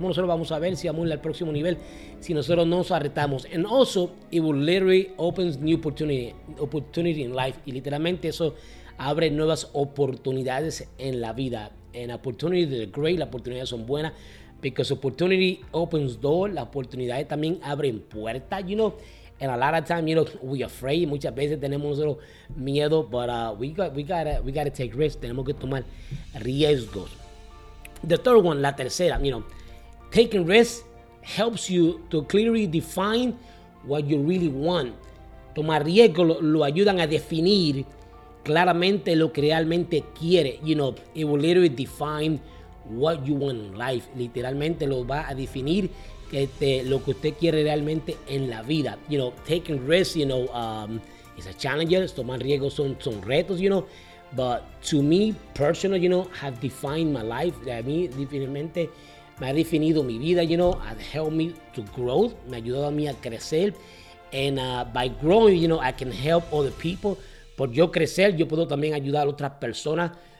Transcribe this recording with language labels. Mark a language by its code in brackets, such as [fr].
[es] ¿Cómo nosotros vamos a ver si vamos al próximo nivel si nosotros no nos arretamos? [en] And also, it will literally opens new opportunity in life. [es] Y literalmente eso abre nuevas oportunidades en la vida. [en] And opportunities are great. [es] Las oportunidades son buenas. [en] Because opportunity opens door, [es] las oportunidades también abren puertas, [en] you know. And a lot of times, you know, we're afraid. [es] Muchas veces tenemos nosotros miedo, [en] but we gotta take risks. [es] Tenemos que tomar riesgos. [en] The third one, [es] la tercera, [en] you know, taking risks helps you to clearly define what you really want. [es] Tomar riesgos lo ayudan a definir claramente lo que realmente quiere. [en] You know, it will literally define what you want in life. [es] Literalmente lo va a definir lo que usted quiere realmente en la vida. [en] You know, taking risks, you know, it's a challenge. [es] Tomar riesgos son retos, [en] you know. But to me, personal, you know, have defined my life. [es] A mí, definitivamente, me ha definido mi vida, [en] you know. Has helped me to grow. [es] Me ha ayudado a mí a crecer. [en] And by growing, you know, I can help other people. [es] Por yo crecer, yo puedo también ayudar a otras personas.